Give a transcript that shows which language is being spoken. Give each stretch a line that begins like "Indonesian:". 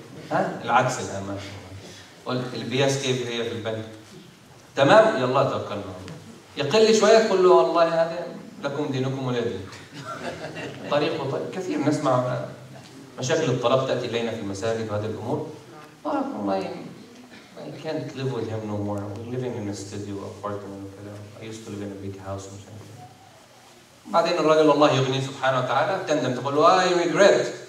Arabic: ها العكس الآن ما شاء الله. قلت البياس كيف هي في البنك؟ تمام يلا توكلنا. يقل شوية تقول له والله هذا لكم دينكم ولا دين. طريق وطريق. كثير نسمع مشاكل الطلاق تأتي إلينا في المساجد وهذه الأمور.
English: والله I can't live with him no more. We're living in a studio apartment وكذا. I used to live in a big house
Arabic: مش عارف. بعدين الرجل الله يغني سبحانه وتعالى تندم تقول له
English: I regret.